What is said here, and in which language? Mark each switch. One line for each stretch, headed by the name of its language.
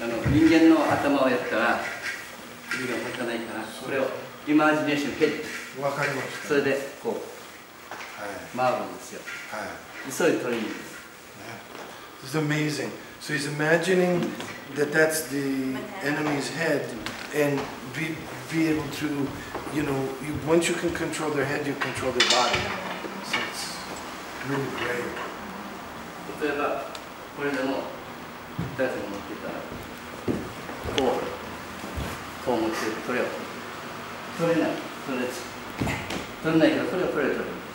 Japanese: 人間の頭をやったら指が動かないから、それをイマジネーションヘッド、分かりました。それでこう、はい、回るんですよ。はい、そういうトレーニングです。
English: This is amazing. So he's imagining that that's the enemy's head and be able to, you know, once you can control their head, you control their body. So it's really great.
Japanese: 例えば、これでも大丈夫持っていたら、こう持って、取れよ。取れない、取れない。取れないけど、これを取れる、取れる。